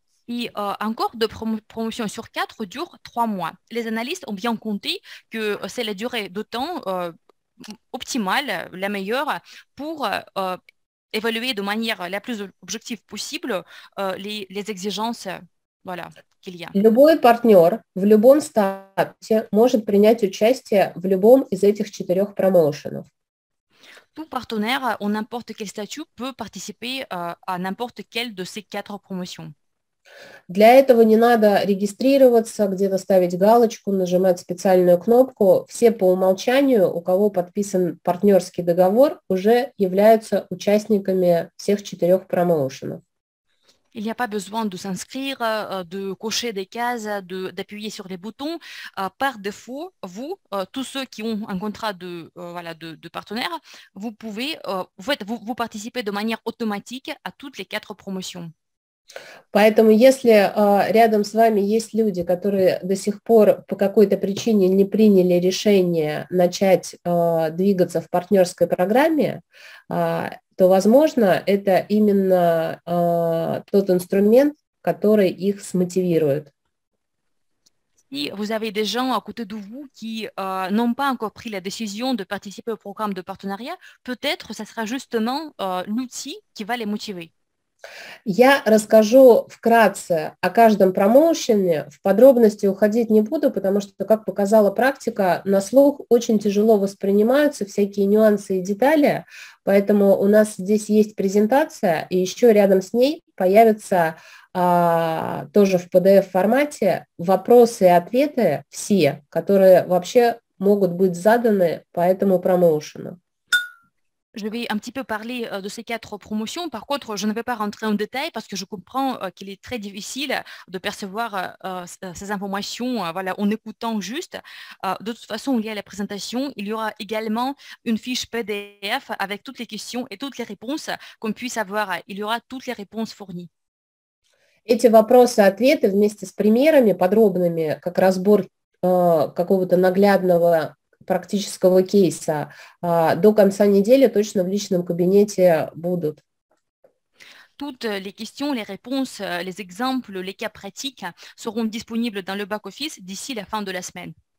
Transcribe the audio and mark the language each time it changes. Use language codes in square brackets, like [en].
[fr] Et encore deux promotions sur 4 durent 3 mois. Les analystes ont bien compté que c'est la durée de temps optimale, la meilleure, pour évaluer de manière la plus objective possible les exigences voilà, [ru] Илья. Любой партнер в любом статусе может принять участие в любом из этих четырех промоушенов. [fr] Tout partenaire en n'importe quel statut peut participer à n'importe quelle de ces quatre promotions. [ru] Для этого не надо регистрироваться, где-то ставить галочку, нажимать специальную кнопку. Все по умолчанию, у кого подписан партнерский договор, уже являются участниками всех четырех промоушенов. [fr] Il n'y a pas besoin de s'inscrire, de cocher des cases, d'appuyer sur les boutons. Par défaut, vous, tous ceux qui ont un contrat de partenaire, vous pouvez, vous participez de manière automatique à toutes les quatre promotions. [ru] Поэтому, если рядом с вами есть люди, которые до сих пор по какой-то причине не приняли решение начать двигаться в партнерской программе, то, возможно, это именно тот инструмент, который их смотивирует. [fr] Si vous avez des gens à côté de vous qui n'ont pas encore pris la décision de participer au programme de partenariat, peut-être ça sera justement l'outil qui va les motiver. [ru] Я расскажу вкратце о каждом промоушене, в подробности уходить не буду, потому что, как показала практика, на слух очень тяжело воспринимаются всякие нюансы и детали, поэтому у нас здесь есть презентация, и еще рядом с ней появятся тоже в PDF-формате вопросы и ответы все, которые вообще могут быть заданы по этому промоушену. [fr] Je vais un petit peu parler de ces quatre promotions. Par contre, je ne vais pas rentrer en détail parce que je comprends qu'il est très difficile de percevoir ces informations en écoutant juste. De toute façon, il y a la présentation. Il y aura également une fiche PDF avec toutes les questions et toutes les réponses qu'on puisse avoir. Il y aura toutes les réponses fournies. [ru] Эти вопросы-ответы вместе с примерами подробными, как разбор какого-то наглядного практического кейса, до конца недели точно в личном кабинете будут. [fr] Toutes les questions, les réponses, les exemples, les cas pratiques seront disponibles dans le back-office d'ici la fin de la semaine.